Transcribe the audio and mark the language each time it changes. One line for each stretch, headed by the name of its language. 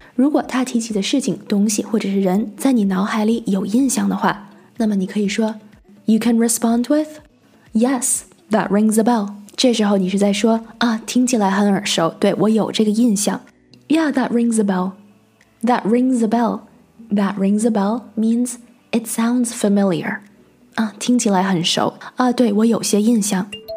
Chinese: 如果他提起的事情、东西或者是人在你脑海里有印象的话。那么你可以说
English: You can respond with Yes, that rings a bell.
Chinese: 这时候你是在说啊，听起来很耳熟，对，我有这个印象。
English: Yeah, that rings a bell. That rings a bell. That rings a bell means It sounds familiar.
Chinese: 啊，听起来很熟啊，对，我有些印象。